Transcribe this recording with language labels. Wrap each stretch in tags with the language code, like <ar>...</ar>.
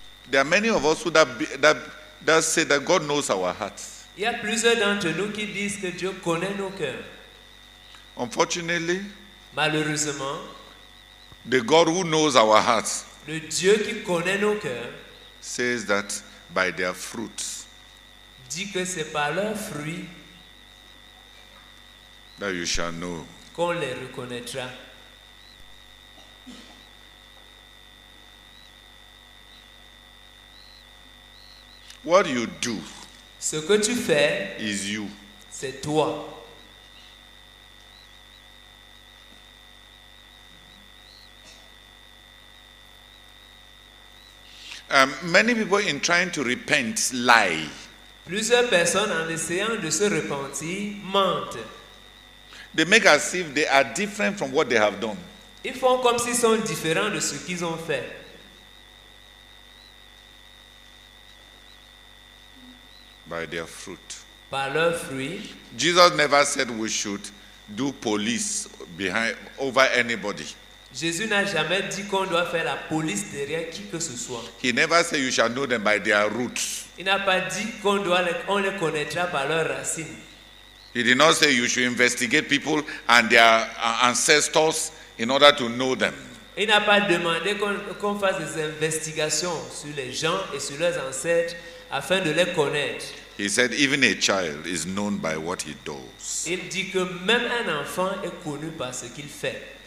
<en>There are many of us who that say that God knows our hearts.</en> <fr>Il y a plusieurs d'entre nous qui disent que Dieu connaît nos cœurs.</fr> <en>Unfortunately,</en> <fr>malheureusement,</fr> <en>the God who knows our hearts,</en> <fr>le Dieu qui connaît nos cœurs,</fr> <en>says that by their fruits,</en> <fr>dit que c'est par leurs fruits</fr> <en>that you shall know,</en> <fr>qu'on les reconnaîtra.</fr> <en>What you do,</en> <fr>ce que tu fais,</fr> <en>is you,</en> <fr>c'est toi.</fr> <en>Many people in trying to repent lie.</en> <fr>Plusieurs personnes en essayant de se repentir mentent.</fr> <en>They make as if they are different from what they have done.</en> <fr>Ils font comme s'ils sont différents de ce qu'ils ont fait.</fr> <en>By their fruit.</en> <fr>Par leur fruit.</fr> <en>Jesus never said we should do police behind over anybody.</en> <fr>Jésus n'a jamais dit qu'on doit faire la police derrière qui que ce soit.</fr> <en>He never said you shall know them by their roots.</en> <fr>Il n'a pas dit qu'on doit on les connaîtra par leurs racines.</fr> <en>He did not say you should investigate people and their ancestors in order to know them.</en> <fr>Il n'a pas demandé qu'on fasse des investigations sur les gens et sur leurs ancêtres afin de les connaître.</fr> <en>He said even a child is known by what he does.</en> <fr>Il dit que même un enfant est connu par ce qu'il fait.</fr>